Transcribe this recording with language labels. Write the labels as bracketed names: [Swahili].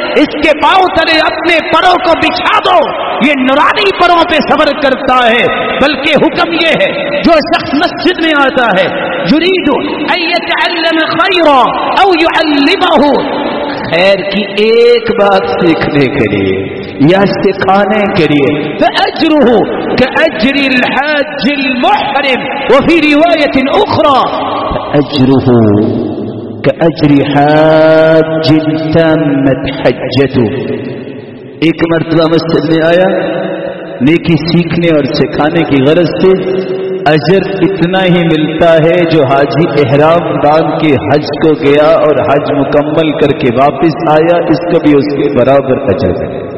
[Urdu] اس کے پاؤں تلے اپنے پروں کو بچھا دو، یہ نورانی پروں پہ صبر کرتا ہے، بلکہ حکم یہ ہے، جو شخص مسجد میں آتا ہے، [Arabic] یرید ان یتعلم خیرا او یعلمہ، [Urdu] خیر کی ایک بات سیکھنے کے لیے یا سکھانے کے لیے، [Arabic] فاجره كاجر الحاج المحرم وفي روايه اخرى اجره كاجر حاج تمت حجته، [Urdu] ایک مرتبہ مسجد میں آیا نیکی سیکھنے اور سکھانے کی غرض سے، اجر اتنا ہی ملتا ہے جو حاجی احرام باندھ کے حج کو گیا اور حج مکمل کر کے واپس آیا، اس کو بھی اس کے برابر اجر ہے،